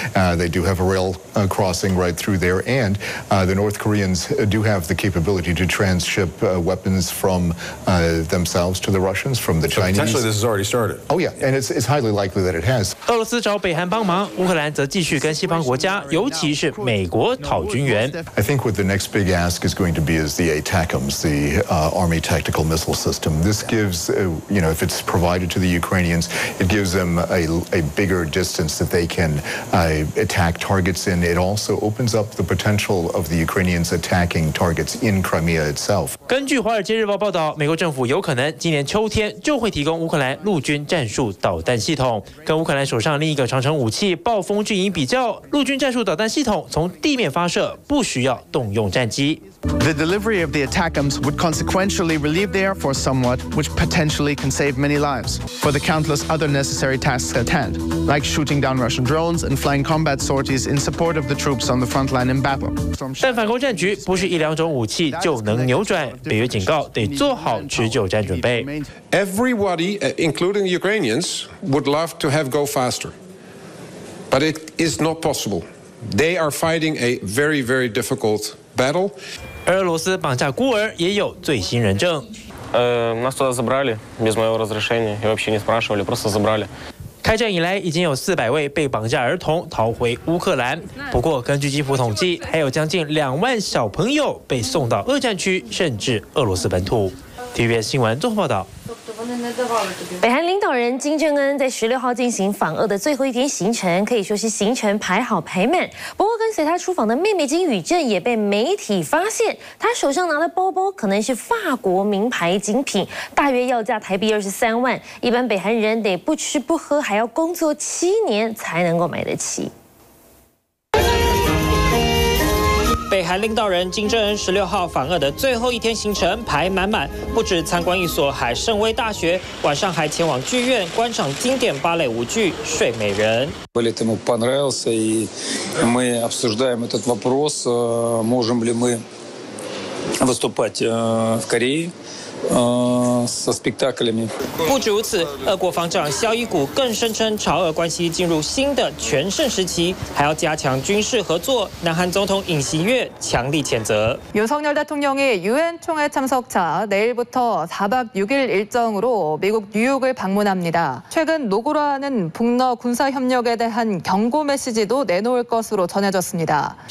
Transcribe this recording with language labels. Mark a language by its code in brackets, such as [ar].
[en] They do have a rail crossing right through there, and the North Koreans do have the capability to transship weapons from themselves to the Russians from the Chinese. So potentially, this has already started. Oh yeah, and it's highly likely that it has. [zh] 俄罗斯找北韩帮忙，乌克兰则继续跟西方国家，尤其是美国讨军援。 [en] I think what the next big ask is going to be is the ATACMS, the Army Tactical Missile System. This gives, you know, if it's provided to the Ukrainians, it gives them a bigger distance that they can attack targets in. It also opens up the potential of the Ukrainians attacking targets in Crimea itself. [zh] 根据《华尔街日报》报道，美国政府有可能今年秋天就会提供乌克兰陆军战术导弹系统。跟乌克兰手上另一个长城武器暴风巨鹰比较，陆军战术导弹系统从地面发射，不需要动用战机。 [en] The delivery of the ATACMS would consequentially relieve the Air Force somewhat, which potentially can save many lives for the countless other necessary tasks at hand, like shooting down Russian drones and flying combat sorties in support of the troops on the front line in battle. [zh] 但反攻战局不是一两种武器就能扭转，北约警告得做好持久战准备。 [en] Everybody, including Ukrainians, would love to have go faster, but it is not possible. They are fighting a very, very difficult battle. [zh] 俄罗斯绑架孤儿也有最新人证。 [ru] Нас туда забрали без моего разрешения и вообще не спрашивали, просто забрали. [zh] 开战以来，已经有400位被绑架儿童逃回乌克兰。不过，根据基辅统计，还有将近20000小朋友被送到俄战区，甚至俄罗斯本土。 TVBS 新闻综合报道。北韩领导人金正恩在16号进行访俄的最后一天行程，可以说是行程排好排满。不过，跟随他出访的妹妹金宇镇也被媒体发现，他手上拿的包包可能是法国名牌精品，大约要价台币23万。一般北韩人得不吃不喝，还要工作7年才能够买得起。北韩领导人金正恩16号访俄的最后一天行程排满满，不止参观一所海盛威大学，晚上还前往剧院观赏经典芭蕾舞剧《睡美人》。 [ru] Полет ему понравился, и мы обсуждаем этот вопрос, можем ли мы выступать в Корее. со спектаклями. [zh] 不止如此，俄国防长肖伊古更声称朝俄关系进入新的全盛时期，还要加强军事合作。南韩总统尹锡悦强力谴责。 [ko] 윤석열대통령이UN 총회참석차내일부터4박6일일정으로미국뉴욕을방문합니다최근노고라는북러군사협력에대한경고메시지도내놓을것으로전해졌습니다